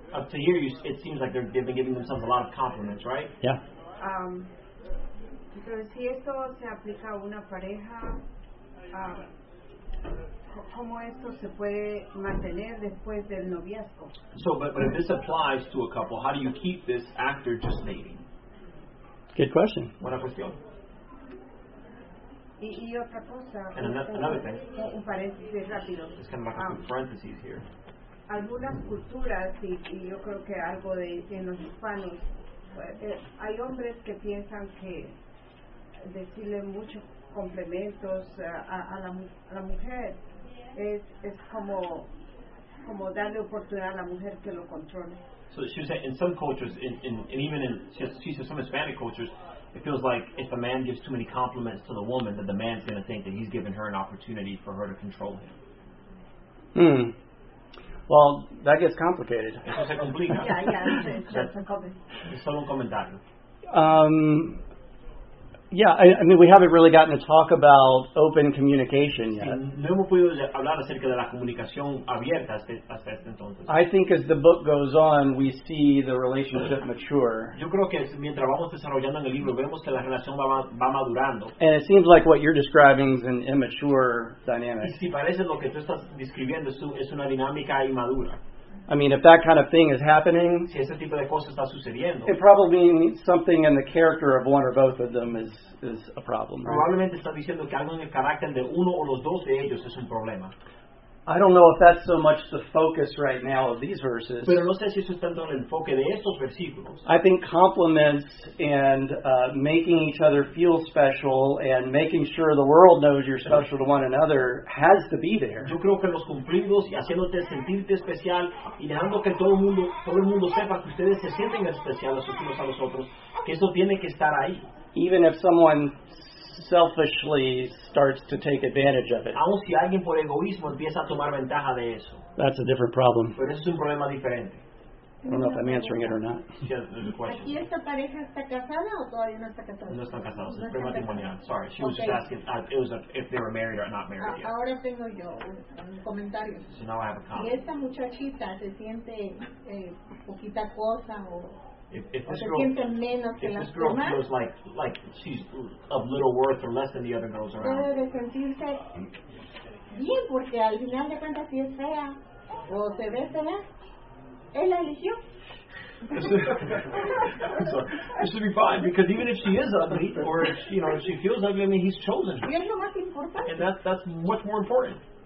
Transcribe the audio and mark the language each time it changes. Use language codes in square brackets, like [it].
[en] To hear you, it seems like they've been giving themselves a lot of compliments, right? Yeah. [es] Entonces, si esto se aplica a una pareja, ¿cómo esto se puede mantener después del noviazgo? [en] So, but if this applies to a couple, how do you keep this after just dating? Good question. [es] Buena cuestión. Y otra cosa. [en] And another thing. [es] Un paréntesis rápido. [en] It's kind of like a parenthesis here. [es] Algunas culturas, y yo creo que algo de en los hispanos, hay hombres que piensan que decirle muchos complementos a la mujer es como darle oportunidad a la mujer que lo controle. [en] So she said in some cultures, and even in, she said some Hispanic cultures, it feels like if a man gives too many compliments to the woman, that the man's going to think that he's given her an opportunity for her to control him. Hmm. Well, that gets complicated. [es] Eso se complica. [en] Yeah, yeah. [es] Es solo un comentario. [en] Yeah, I mean, we haven't really gotten to talk about open communication yet. [es] No hemos podido hablar acerca de la comunicación abierta hasta este entonces. [en] I think as the book goes on, we see the relationship mature. [es] Yo creo que mientras vamos desarrollando en el libro, vemos que la relación va madurando. [en] And it seems like what you're describing is an immature dynamic. [es] Y si parece lo que tú estás describiendo es una dinámica inmadura. [en] I mean, if that kind of thing is happening, [es] si ese tipo de cosa está sucediendo, [en] it probably means something in the character of one or both of them is a problem. [es] Probablemente está diciendo que algo en el carácter de uno o los dos de ellos es un problema. [en] I don't know if that's so much the focus right now of these verses. [es] Pero no sé si eso está en el enfoque de estos versículos. [en] I think compliments and making each other feel special and making sure the world knows you're special to one another has to be there. [es] Yo creo que los cumplidos y haciéndote sentirte especial y dejando que todo el mundo sepa que ustedes se sienten especiales unos a los otros, que eso tiene que estar ahí. [en] Even if someone selfishly starts to take advantage of it. [es] Aun si alguien por egoísmo empieza a tomar ventaja de eso. [en] That's a different problem. [es] Pero eso es un problema diferente. [en] I don't know if I'm answering it or not. [es] Aquí esta pareja está casada o todavía no está casada? No están casados. Es prematrimonial. [en] Sorry, she was just asking. It was if they were married or not married yet. [es] Ahora tengo yo un comentario. [en] So now I have a comment. [es] Y esta muchachita se siente poquita cosa o. [en] If this girl feels like she's of little worth or less than the other girls around, this should be fine because even if she is ugly or if she, you know, if she feels ugly, I mean, he's chosen her, and that's much more important.